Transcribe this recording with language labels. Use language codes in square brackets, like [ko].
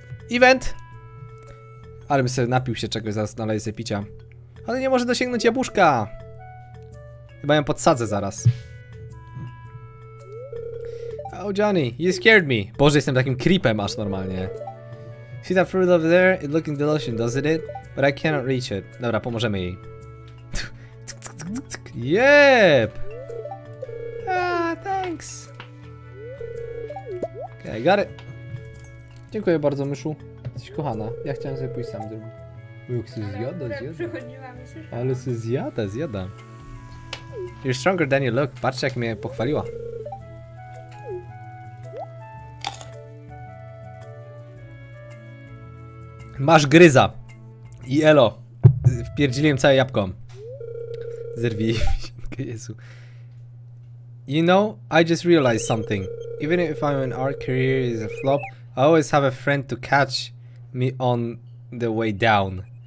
[pl] Event! Ale bym sobie napił się czegoś, zaraz naleję sobie picia. Ale nie może dosięgnąć jabłuszka! Chyba ją podsadzę zaraz. [en] Oh, Johnny, you scared me. [pl] Boże, jestem takim creepem aż normalnie. [en] See that fruit over there? It looking delicious, doesn't it? But I cannot reach it. [pl] Dobra, pomożemy jej. [en] Yep! Ah, thanks! Okay, got it! [pl] Dziękuję bardzo, myszu. Jesteś kochana. Ja chciałem sobie pójść sam zrobić. Ujuk, się zjada, zjada. Ale się zjada, zjada. [en] You're stronger than you look. [pl] Patrzcie, jak mnie pochwaliła. Masz gryza. I elo. Wpierdziliłem całe jabłko. Zerwij wisienkę, Jezu. [en] You know, I just realized something. Even if I'm an art career is a flop, I always have a friend to catch me on the way down.